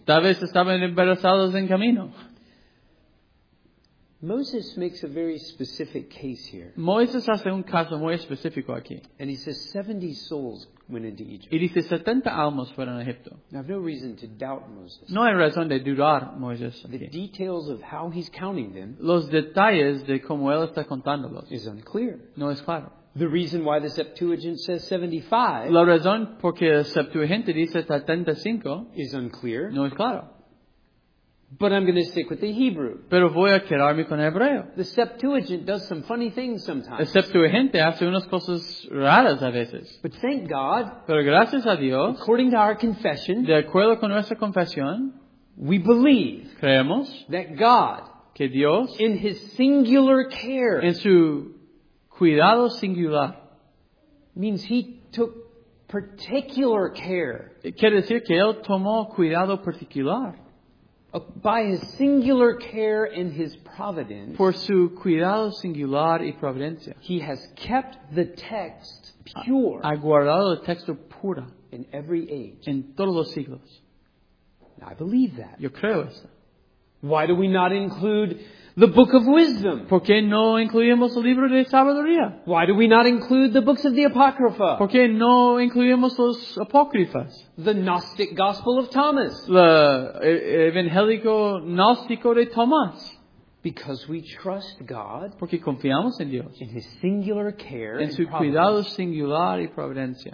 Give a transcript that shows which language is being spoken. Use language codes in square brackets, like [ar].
[es] Tal vez estaban embarazados en camino. [en] Moses makes a very specific case here. [es] Moisés hace un caso muy específico aquí. [en] And he says 70 souls went into Egypt. [es] Y dice 70 almas fueron a Egipto. [en] I have no reason to doubt Moses. [es] No hay razón de dudar Moisés. [en] The details of how he's counting them. [es] Los detalles de cómo él está contándolos. [en] Is unclear. [es] No es claro. [en] The reason why the Septuagint says 75. [es] La razón porque el Septuagente dice 75. [en] Is unclear. [es] No es claro. [en] But I'm going to stick with the Hebrew. [es] Pero voy a quedarme con hebreo. [en] The Septuagint does some funny things sometimes. [es] El Septuagente hace unas cosas raras a veces. [en] But thank God. [es] Pero gracias a Dios. [en] According to our confession. [es] De acuerdo con nuestra confesión. [en] We believe. [es] Creemos. [en] That God. [es] Que Dios. [en] In His singular care. [es] En su cuidado singular. [en] Means He took particular care. [es] Quiere decir que Él tomó cuidado particular. [en] By His singular care and His providence. [es] Por su cuidado singular y providencia. [en] He has kept the text pure. [es] Ha guardado el texto puro. [en] In every age. [es] En todos los siglos. [en] I believe that. [es] Yo creo eso. [en] Why do we not include the book of wisdom? [es] ¿Por qué no incluimos el libro de sabiduría? [en] Why do we not include the books of the apocrypha? [es] ¿Por qué no incluimos los apócrifas? [en] The Gnostic Gospel of Thomas. [es] La evangélico gnóstico de Tomás. [en] Because we trust God. [es] Porque confiamos en Dios. [en] In His singular care. [es] En su cuidado singular y providencia.